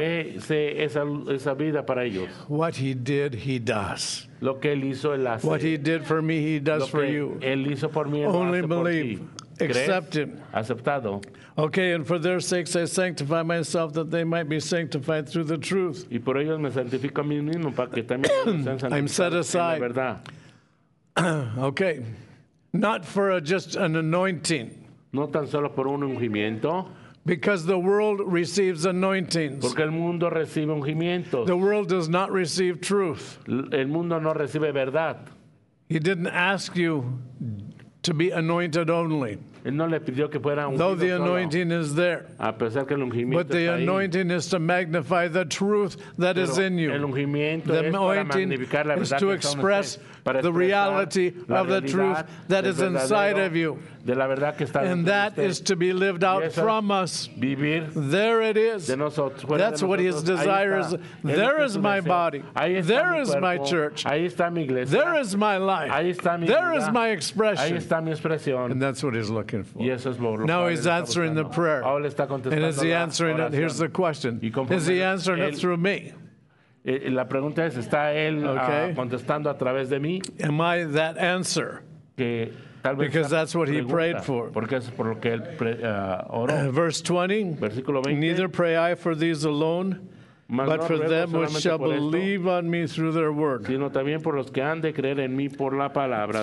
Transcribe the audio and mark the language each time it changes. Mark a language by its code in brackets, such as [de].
[es] Ve, sé esa vida para ellos. [en] What he did, he does. [es] Lo que él hizo, él hace. [en] What he did for me, he does [es] lo [en] for you. [es] Él hizo por mí, él [en] only [es] hace [en] believe. [es] Por ti. [en] Accept him. [es] Aceptado. [en] Okay, and for their sakes I sanctify myself that they might be sanctified through the truth. [es] Y por ellos me santifico a mí mismo para que también sean santificados. [en] I'm set aside. Okay, not for just an anointing. [es] No tan solo por un ungimiento. [en] Because the world receives anointings. [es] Porque el mundo recibe ungimientos. [en] The world does not receive truth. [es] El mundo no recibe verdad. [en] He didn't ask you to be anointed only. [es] Él no le pidió que fuera ungido. [en] Though the anointing is there. [es] A pesar que el ungimiento está ahí. [en] But the anointing is to magnify the truth that is in you. [es] El ungimiento es para magnificar la verdad que [en] es. To express the reality of the truth that is inside of you. [es] De la verdad que está. [en] And that is to be lived out from us. [es] Vivir. [en] There it is. [es] De nosotros. [en] That's what his desire is. There is my body. [es] Ahí está. [en] There is my church. [es] Ahí está mi iglesia. [en] There is my life. [es] Ahí está mi vida. [en] There is my expression. [es] Ahí está mi expresión. [en] And that's what he's looking for. [es] Y eso es lo que. [en] Now he's answering the prayer. [es] Ahora está contestando. [en] And is he answering it? Here's the question. Is he answering it through me? [es] La pregunta es, ¿está él contestando a través de mí? [en] Am I that answer? [es] Que tal vez. [en] Because that's what he prayed for. [es] Porque es por lo que él oró. [en] Verse 20. [es] Versículo 20. [en] Neither pray I for these alone, but for them which shall believe on me through their word. [es] Sino también por los que han de creer en mí por la palabra.